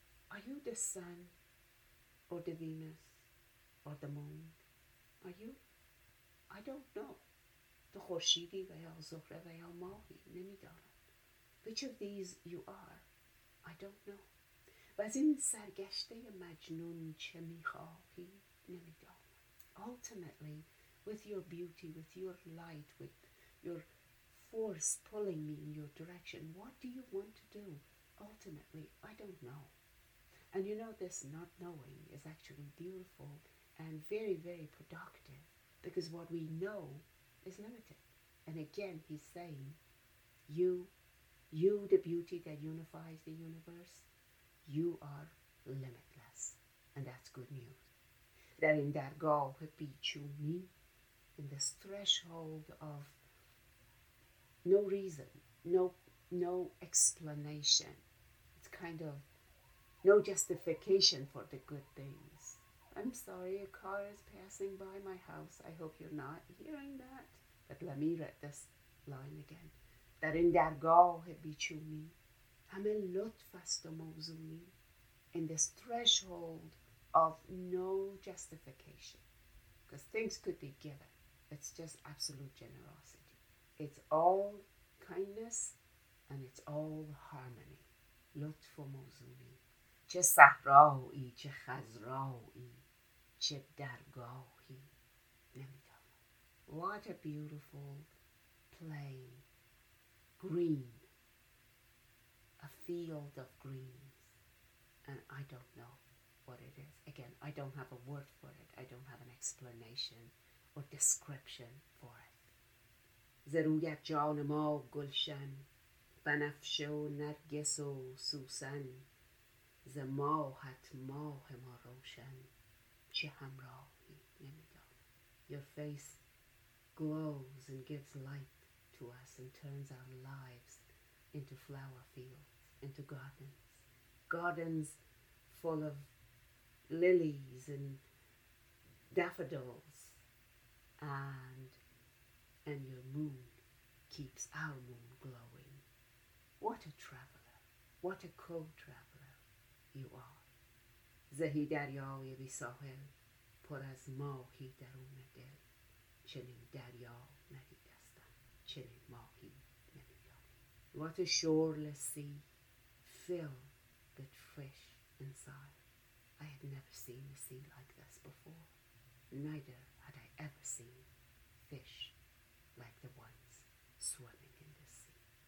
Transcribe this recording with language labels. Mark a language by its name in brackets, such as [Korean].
[English] Are you the sun or the Venus or the moon? Are you? I don't know. [Persian] تو خورشیدی و یا زهره و یا ماهی نمیدانم. [English] Which of these you are? I don't know. [Persian] و از این سرگشته مجنون چه میخواهی نمیدانم. [English] Ultimately, with your beauty, with your light, with your force pulling me in your direction, what do you want to do? Ultimately, I don't know. And you know, this not knowing is actually beautiful and very, very productive, because what we know is limited. And again, he's saying, you, the beauty that unifies the universe, you are limitless. And that's good news. [Persian] در این درگاه پیچونی، [English] in this threshold of no reason, no explanation, it's kind of no justification for the good things. I'm sorry, a car is passing by my house. I hope you're not hearing that. But let me read this line again. [Persian] در این درگاه پیچونی، همه لطف است و موزونی. [English] In this threshold of no justification, because things could be given. It's just absolute generosity. It's all kindness and it's all harmony. [Persian] لطف و موزونی. چه صحرایی، چه خضرایی، چه درگاهی نمیدانم. [English] What a beautiful play. Green. A field of greens. And I don't know what it is. Again, I don't have a word for it. I don't have an explanation or description for it. [Persian] زرویت جان ما گلشن، بنفشه و نرگس و سوسن. ز ماهت ماه ما روشن، چه همراهی نمیدانم. [English] Your face glows and gives light to us and turns our lives into flower fields, into gardens. Gardens full of lilies and daffodils, and your moon keeps our moon glowing. What a traveler, what a co-traveler you are. [Persian] زهی دریای بی ساحل، پر از ماهی درون دل. چنین دریا ندیدستم، چنین ماهی نمیدانم. [English] What a shoreless sea, filled with fish inside. I had never seen a sea like this before. Neither had I ever seen fish like the ones swimming in the sea.